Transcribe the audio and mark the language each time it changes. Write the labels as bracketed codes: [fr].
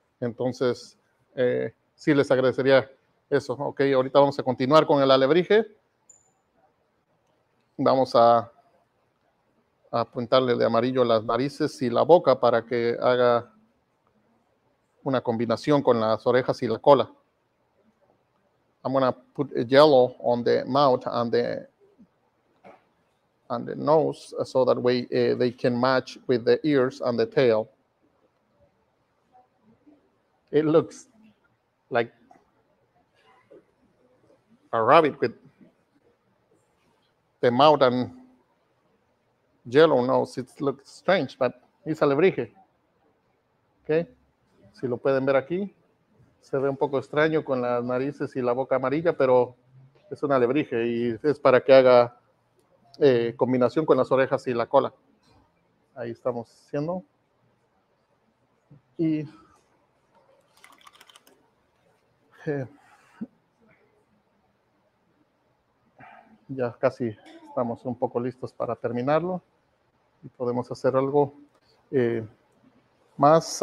[es] Entonces, sí les agradecería eso. Ok, ahorita vamos a continuar con el alebrije. Vamos a apuntarle de amarillo las narices y la boca para que haga una combinación con las orejas y la cola. [en] I'm going to put a yellow on the mouth and the nose so that way they can match with the ears and the tail. It looks like a rabbit with the mouth and yellow nose. It looks strange, but it's alebrije. Okay. [es] Si lo pueden ver aquí, se ve un poco extraño con las narices y la boca amarilla, pero es un alebrije y es para que haga combinación con las orejas y la cola. Ahí estamos haciendo. Y ya casi estamos un poco listos para terminarlo y podemos hacer algo más.